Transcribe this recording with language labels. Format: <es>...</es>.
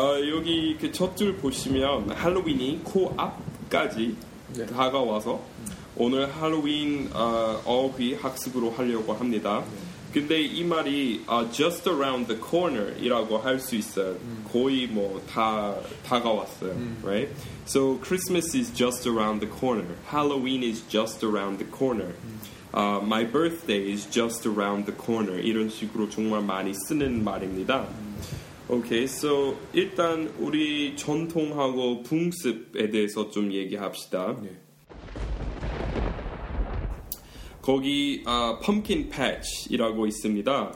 <ko>여기 그 첫 줄 보시면 할로윈이 코앞까지 네. 다가와서 오늘 할로윈 어휘 학습으로 하려고 합니다. 네. 근데 이 말이</ko> <en>just around the corner</en> <ko>이라고 할 수 있어요. 거의 뭐 다 다가왔어요. Right?</ko> <en>So Christmas is just around the corner. Halloween is just around the corner. My birthday is just around the corner.</en> <ko>이런 식으로 정말 많이 쓰는 말입니다.</ko> <en>Okay, so</en> <ko>일단 우리 전통하고 풍습에 대해서 좀 얘기합시다. 네. 거기 pumpkin patch이라고 있습니다.</ko>